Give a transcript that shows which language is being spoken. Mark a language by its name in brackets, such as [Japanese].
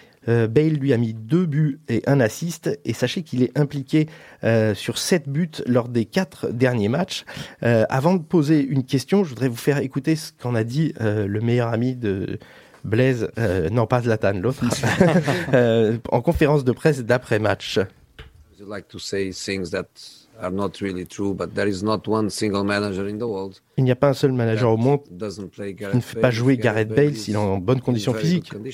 [French] Bale lui a mis deux buts et un assist, et sachez qu'il est impliqué sur sept buts lors des quatre derniers matchs. Avant de poser une question, je voudrais vous faire écouter ce qu'en a dit le meilleur ami de Blaise, non pas Zlatan, l'autre, en conférence de presse d'après match. [English] I'd like to say things that are not really true, but there is not one single manager in the world. [French] Il n'y a pas un seul manager au monde qui ne fait pas jouer Gareth Bale s'il est en bonne condition physique.